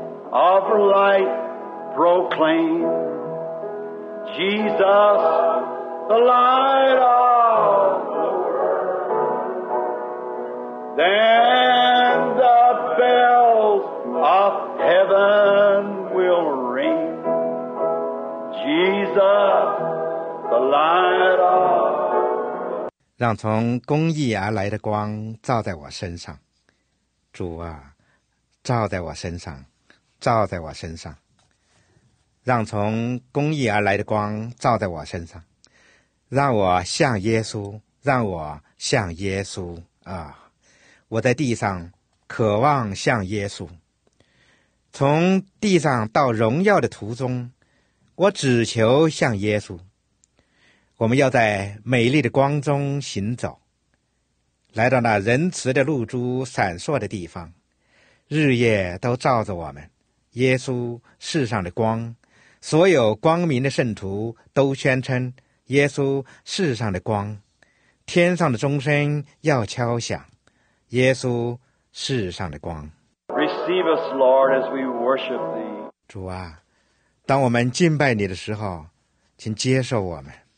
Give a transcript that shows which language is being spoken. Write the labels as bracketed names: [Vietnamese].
[English] Of light proclaim Jesus, the light of the world. Then the bells of heaven will ring. Jesus, the light of the world. [Chinese] 让从公义而来的光照在我身上，主啊，照在我身上。照在我身上，让从公义而来的光照在我身上，让我像耶稣，让我像耶稣啊！我在地上渴望像耶稣，从地上到荣耀的途中，我只求像耶稣。我们要在美丽的光中行走，来到那仁慈的露珠闪烁的地方，日夜都照着我们。耶稣世上的光，所有光明的圣徒都宣称耶稣世上的光，天上的钟声要敲响，耶稣世上的光。 [English] Receive us, Lord, as we worship thee. [Chinese] 主啊，当我们敬拜你的时候，请接受我们。